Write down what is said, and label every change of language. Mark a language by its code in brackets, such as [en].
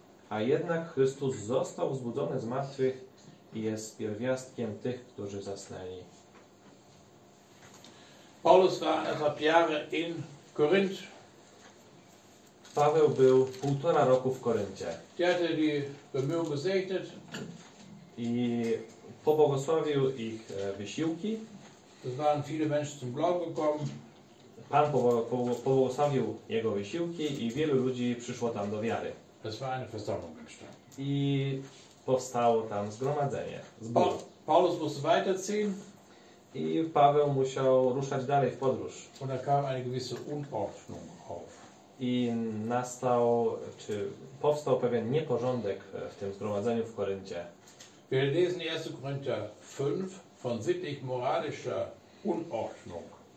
[pl] A jednak Chrystus został wzbudzony z martwych i jest pierwiastkiem tych, którzy zasnęli. [de] Paulus war anderthalb Jahre in Korinth. [pl] Paweł był półtora roku w Koryncie. [de] Der hatte die Bemühungen gesegnet. [pl] I pobłogosławił ich wysiłki. [de] Es waren viele Menschen zum Glauben gekommen. [pl] Pan pobłogosławił jego wysiłki i wielu ludzi przyszło tam do wiary. [de] Es war eine Versammlung entstanden. [pl] I powstało tam zgromadzenie. [de] Paulus musste weiterziehen. [pl] I Paweł musiał ruszać dalej w podróż. [de] Und da kam eine gewisse Unordnung auf. [pl] I nastał, czy powstał pewien nieporządek w tym zgromadzeniu w Koryncie. [de] Wir lesen 1. Korinther 5 von sittlich-moralischer Unordnung.